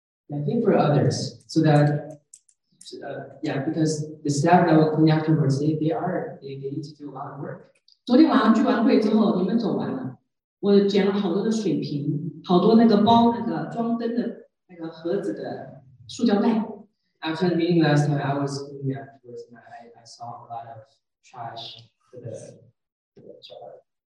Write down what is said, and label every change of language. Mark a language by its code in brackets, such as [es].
[en] I think for others, so that, yeah, because the staff that will clean afterwards, they need to do a lot of work. [zh] 昨天晚上聚完会之后，你们走完了，我捡了好多的水瓶，好多那个包那个装灯的那个盒子的塑胶袋。 [en] After the meeting last time, I was cleaning afterwards, and I saw a lot of trash for the jar.